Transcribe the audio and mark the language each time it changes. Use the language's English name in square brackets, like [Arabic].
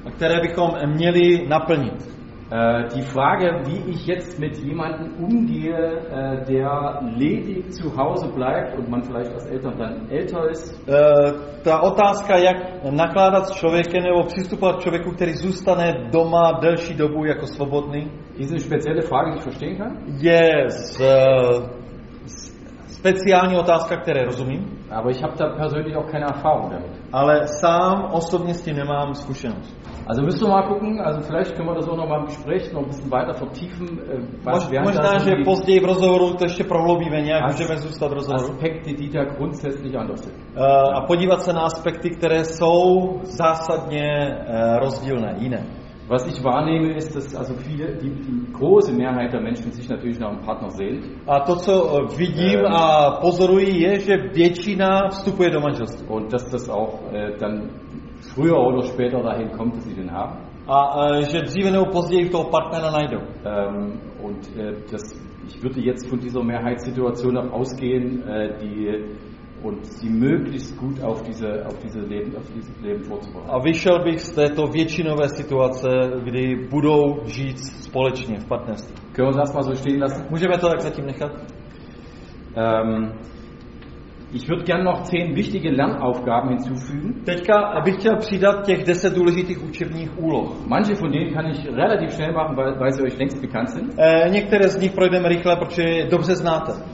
[Czech] Které bychom měli naplnit. [German] Die Frage, wie ich jetzt mit jemandem umgehe, der ledig zu Hause bleibt und man vielleicht als Eltern dann älter ist. [Czech] Ta otázka, jak nakládat s člověkem nebo přistupovat k člověku, který zůstane doma delší dobu jako svobodný. [German] Diese spezielle Frage, die ich verstehen kann. [English] Yes, [Czech] speciální otázka, které rozumím. [German] Aber ich habe da persönlich auch keine Erfahrung damit. [Czech] Ale sám osobně s tím nemám zkušenost. [German] Also müssen wir mal gucken, also vielleicht können wir das auch noch mal im Gespräch noch ein bisschen weiter vertiefen. [Czech] Možná, že později v rozhovoru to ještě prohloubíme nějak, můžeme zůstat v rozhovoru. [German] Aspekty, die da grundsätzlich anders sind. [Czech] A podívat se na aspekty, které jsou zásadně rozdílné, jiné. [German] Was ich wahrnehme ist, dass also viele die große Mehrheit der Menschen sich natürlich nach einem Partner sehnt. [Czech] A to co vidím a pozoruji je, že většina vstupuje do manželství. [German] Und dass das auch dann früher oder später dahin kommt, dass sie den haben. [Czech] A že dříve nebo později toho partnera najdou. [German] Und das ich würde jetzt von dieser Mehrheitssituation auch ausgehen, die und sie möglichst gut auf dieses Leben vorzubereiten. [Czech] A vyšel bych z této většinové situace, kdy budou žít společně v partnerství. [German] Können wir das mal so stehen lassen? [Czech] Můžeme to tak zatím nechat? [German] Ich würde gerne noch 10 wichtige Lernaufgaben hinzufügen. [Czech] Teďka bych chtěl přidat těch 10 důležitých učebních úloh. [German] Manche von denen kann ich relativ schnell machen, weil sie euch längst bekannt sind. [Czech] Některé z nich projdeme rychle, protože je dobře znáte.